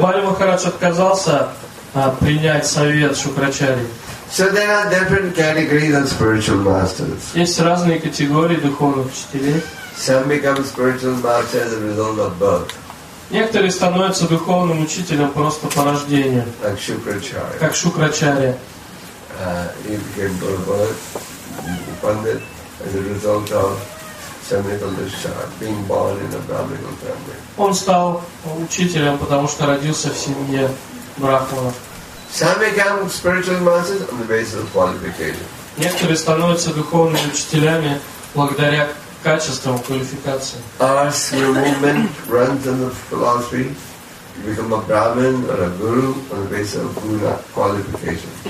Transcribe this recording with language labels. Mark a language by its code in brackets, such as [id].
[ru] Бали Махарадж отказался принять совет Шукрачарьи. [en] So there are different categories of spiritual masters. [ru] Есть разные категории духовных учителей. [en] Some become spiritual masters as a result of birth. [ru] Некоторые становятся духовным учителем просто по рождению. [en] Like Шукрачарья. [ru] Как Шукрачарья. [en] As a result of seminal discharge, being born in a brahminical family. [ru] Он стал учителем, потому что родился в семье брахманов. [en] Some become spiritual masters on the basis of qualification. [ru] Некоторые становятся духовными учителями благодаря качествам, квалификации. [en] Ours, your movement runs on the philosophy. You become a brahmin or a guru on the basis of guna qualification.